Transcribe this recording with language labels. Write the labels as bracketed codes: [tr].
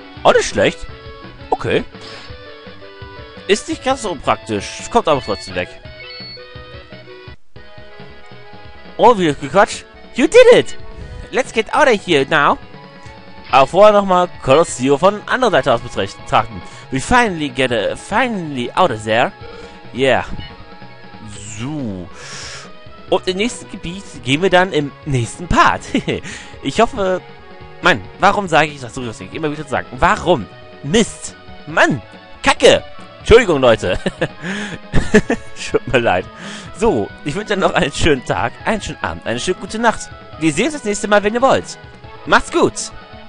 [de] Oh, nicht schlecht. Okay. Ist nicht ganz so praktisch. Kommt aber trotzdem weg. Oh, wie gequatscht. [en] You did it! Let's get out of here now. [de] Aber vorher nochmal Colosseum von anderer Seite aus betrachten. [en] We finally get finally out of there. Yeah. So. [de] Und im nächsten Gebiet gehen wir dann im nächsten Part. Ich hoffe... Mann, warum sage ich das so? Immer wieder zu sagen. Warum? Mist! Mann! Kacke! Entschuldigung, Leute. Tut mir leid. So, ich wünsche euch noch einen schönen Tag, einen schönen Abend, eine schöne gute Nacht. Wir sehen uns das nächste Mal, wenn ihr wollt. Macht's gut!